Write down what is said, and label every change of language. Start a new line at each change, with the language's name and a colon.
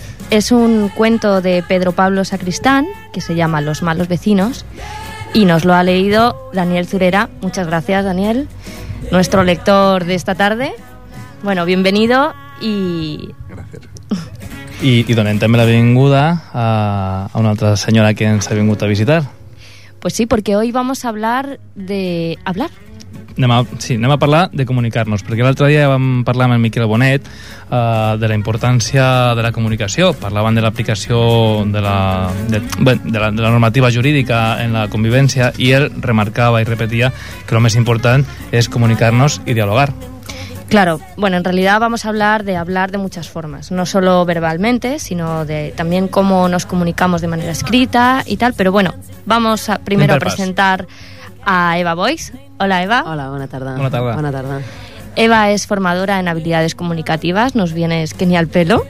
Spanish: Es un cuento de Pedro Pablo Sacristán, que se llama Los malos vecinos, y nos lo ha leído Daniel Zurera. Muchas gracias, Daniel, nuestro lector de esta tarde. Bueno, bienvenido y... Gracias.
Catalan: I donem també la benvinguda a una altra senyora que ens ha vingut a visitar.
Spanish: Pues sí, porque hoy vamos a hablar de... ¿Hablar?
Catalan: Anem a parlar de comunicar-nos, perquè l'altre dia vam parlar amb el Miquel Bonet de la importància de la comunicació. Parlaven de l'aplicació de la normativa jurídica en la convivència i ell remarcava i repetia que lo més important és comunicar-nos i dialogar.
Spanish: Claro, bueno, en realidad vamos a hablar de muchas formas, no solo verbalmente, sino de también cómo nos comunicamos de manera escrita y tal, pero bueno, vamos a, primero a presentar a Eva Boix. Hola, Eva. Hola, buena tarde. Buena tarde. Buena tarde. Eva es formadora en habilidades comunicativas, nos vienes que ni al pelo.